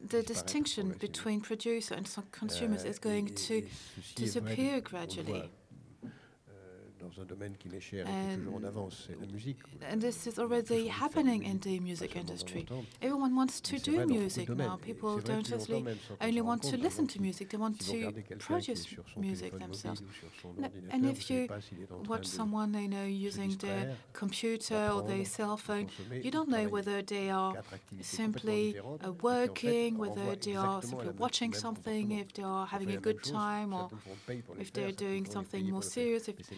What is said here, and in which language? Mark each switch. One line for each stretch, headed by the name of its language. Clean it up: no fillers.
English: the distinction between producer and consumers is going to disappear gradually.
French: dans un domaine qui m'est cher et qui est toujours en avance, c'est la musique.
English: And this is already happening in the music industry. Everyone wants to do music now. People don't really only want to listen to music. They want to produce music themselves. And if you watch someone, you know, using their computer or their cell phone, you don't know whether they are simply working, whether they are simply watching something, if they are having a good time, or if they're doing something more serious.